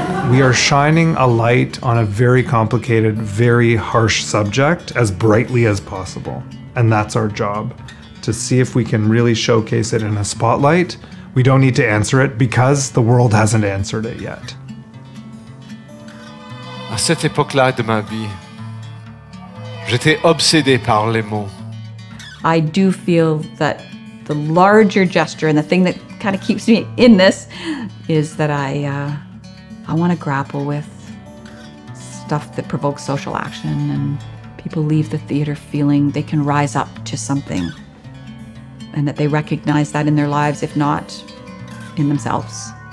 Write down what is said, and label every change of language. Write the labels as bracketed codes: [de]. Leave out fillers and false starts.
[en] We are shining a light on a very complicated, very harsh subject as brightly as possible. And that's our job, to see if we can really showcase it in a spotlight. We don't need to answer it because the world hasn't answered it yet. [fr] À cette époque-là de ma vie, j'étais obsédé par les mots. [en] I do feel that the larger gesture and the thing that kind of keeps me in this is that I want to grapple with stuff that provokes social action, and people leave the theater feeling they can rise up to something, and that they recognize that in their lives, if not in themselves.